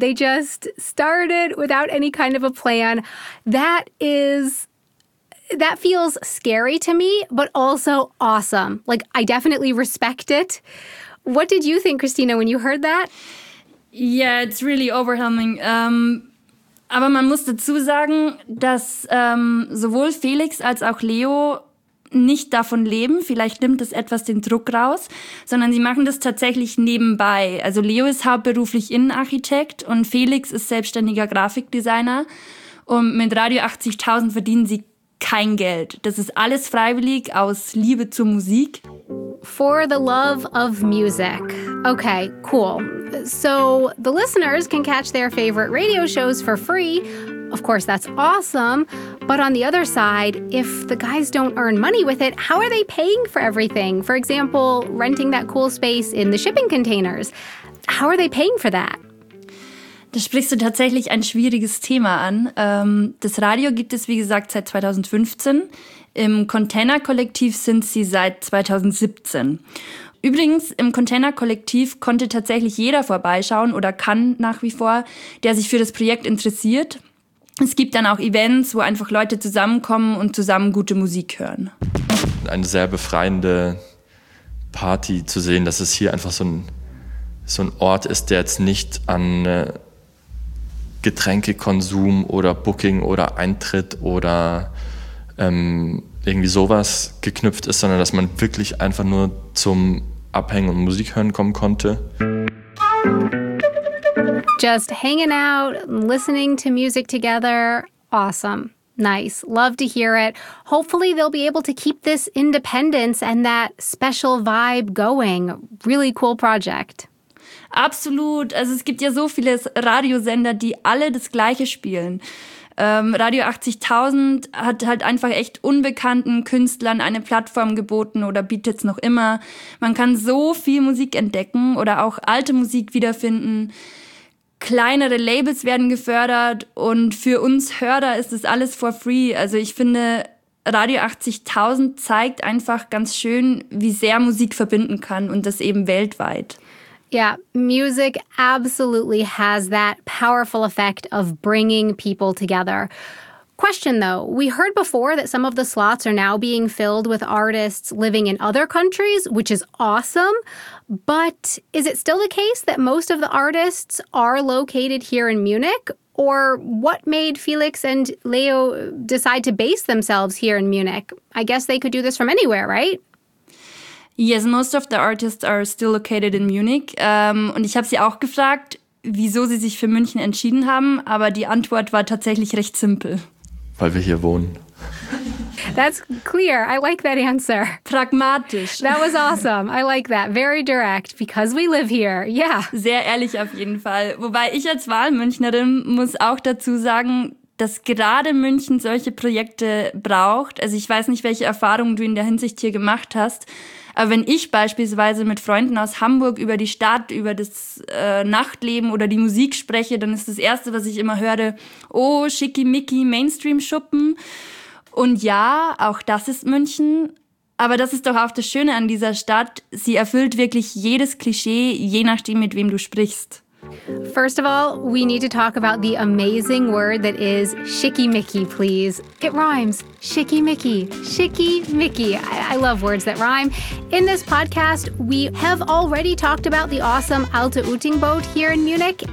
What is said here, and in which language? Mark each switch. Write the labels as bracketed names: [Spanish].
[English] They just started without any kind of a plan. That feels scary to me, but also awesome. Like, I definitely respect it. What did you think, Christina, when you heard that? Yeah, it's really overwhelming. [German] Aber man muss dazu sagen, dass sowohl Felix als auch Leo nicht davon leben. Vielleicht nimmt das etwas den Druck raus, sondern sie machen das tatsächlich nebenbei. Also Leo ist hauptberuflich Innenarchitekt und Felix ist selbstständiger Grafikdesigner. Und mit Radio 80.000 verdienen sie kein Geld. Das ist alles freiwillig aus Liebe zur Musik. [English] For the love of music. Okay, cool. So the listeners can catch their favorite radio shows for free. Of course, that's awesome. But on the other side, if the guys don't earn money with it, how are they paying for everything? For example, renting that cool space in the shipping containers. How are they paying for that? [German] Da sprichst du tatsächlich ein schwieriges Thema an. Das Radio gibt es, wie gesagt, seit 2015. Im Container-Kollektiv sind sie seit 2017. Übrigens, im Container-Kollektiv konnte tatsächlich jeder vorbeischauen oder kann nach wie vor, der sich für das Projekt interessiert. Es gibt dann auch Events, wo einfach Leute zusammenkommen und zusammen gute Musik hören. Eine sehr befreiende Party zu sehen, dass es hier einfach so ein Ort ist, der jetzt nicht an Getränkekonsum oder Booking oder Eintritt oder irgendwie sowas geknüpft ist, sondern dass man wirklich einfach nur zum Abhängen und Musik hören kommen konnte. [English] Just hanging out, listening to music together. Awesome. Nice. Love to hear it. Hopefully they'll be able to keep this independence and that special vibe going. Really cool project. [German] Absolut. Also es gibt ja so viele Radiosender, die alle das Gleiche spielen. Radio 80.000 hat halt einfach echt unbekannten Künstlern eine Plattform geboten oder bietet es noch immer. Man kann so viel Musik entdecken oder auch alte Musik wiederfinden. Kleinere Labels werden gefördert und für uns Hörer ist es alles [English] for free. [German] Also ich finde, Radio 80.000 zeigt einfach ganz schön, wie sehr Musik verbinden kann und das eben weltweit. [English] Yeah, music absolutely has that powerful effect of bringing people together. Question though, we heard before that some of the slots are now being filled with artists living in other countries, which is awesome. But is it still the case that most of the artists are located here in Munich? Or what made Felix and Leo decide to base themselves here in Munich? I guess they could do this from anywhere, right? Yes, most of the artists are still located in Munich. [German] Und ich habe sie auch gefragt, wieso sie sich für München entschieden haben. Aber die Antwort war tatsächlich recht simpel. Weil wir hier wohnen. [English] That's clear. I like that answer. [German] Pragmatisch. [English] That was awesome. I like that. Very direct. Because we live here. Yeah. [German] Sehr ehrlich auf jeden Fall. Wobei ich als Wahlmünchnerin muss auch dazu sagen, dass gerade München solche Projekte braucht. Also ich weiß nicht, welche Erfahrungen du in der Hinsicht hier gemacht hast. Aber wenn ich beispielsweise mit Freunden aus Hamburg über die Stadt, über das Nachtleben oder die Musik spreche, dann ist das Erste, was ich immer höre, oh, schickimicki Mainstream-Schuppen. Und ja, auch das ist München. Aber das ist doch auch das Schöne an dieser Stadt. Sie erfüllt wirklich jedes Klischee, je nachdem, mit wem du sprichst. [English] First of all, we need to talk about the amazing word that is schickimicki, please. It rhymes. Schickimicki. Schickimicki. I love words that rhyme. In this podcast, we have already talked about the awesome Alte Utingboot here in Munich.